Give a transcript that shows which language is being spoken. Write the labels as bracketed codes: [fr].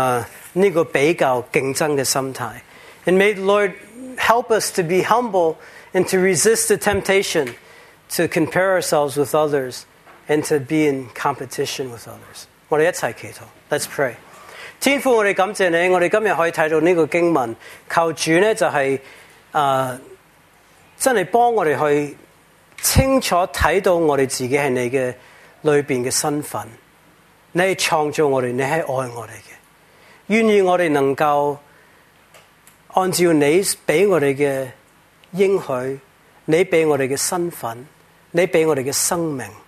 [zh] 求神帮助我们去谦卑,拒绝这个比较竞争的心态. [en] And may the Lord help us to be humble and to resist the temptation to compare ourselves with others and to be in competition with others. [zh] 我们一起祈祷, [en] let's pray. [zh] 天父,我们感谢你,我们今天可以看到这个经文, 求主就是真的帮我们去清楚看到我们自己在你里面的身份, 你是创造我们,你是爱我们的, 愿意我们能够按照你给我们的应许, 你给我们的身份, 你给我们的生命